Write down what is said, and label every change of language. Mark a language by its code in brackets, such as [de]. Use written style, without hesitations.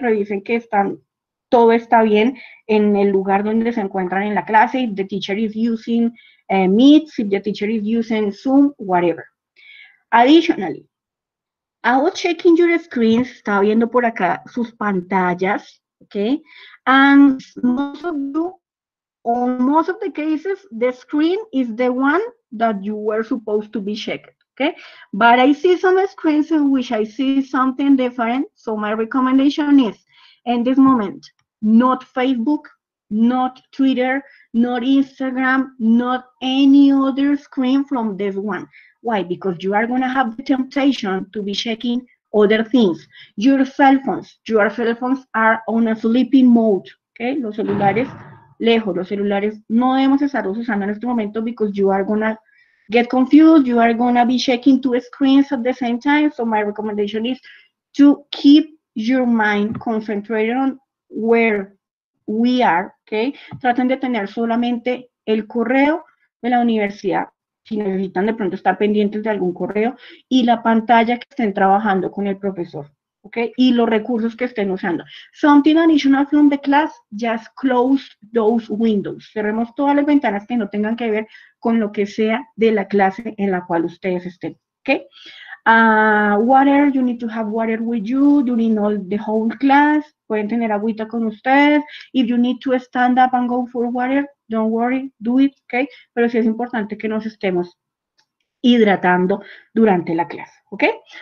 [es] Revisen que están, todo está bien en el lugar donde se encuentran en la clase. [en] If the teacher is using Meet, if the teacher is using Zoom, whatever. Additionally, I was checking your screens. [es] Estaba viendo por acá sus pantallas. Okay. [en] And most of you, on most of the cases, the screen is the one that you were supposed to be checked. Okay. But I see some screens in which I see something different. So my recommendation is, in this moment, not Facebook, not Twitter, not Instagram, not any other screen from this one. Why? Because you are going to have the temptation to be checking other things. Your cell phones are on a sleeping mode. Okay, [es] los celulares lejos, los celulares no debemos estar usando en este momento [en] because you are going to get confused, you are going to be checking two screens at the same time. So my recommendation is to keep your mind concentrated on where we are, okay? [es] Traten de tener solamente el correo de la universidad, si necesitan de pronto estar pendientes de algún correo, y la pantalla que estén trabajando con el profesor, okay? Y los recursos que estén usando. [en] Something additional from the class, just close those windows. [es] Cerremos todas las ventanas que no tengan que ver con lo que sea de la clase en la cual ustedes estén, okay? [en] Water, you need to have water with you during all the whole class. [es] Pueden tener agüita con ustedes. [en] If you need to stand up and go for water, don't worry, do it, okay? [es] Pero sí es importante que nos estemos hidratando durante la clase, okay?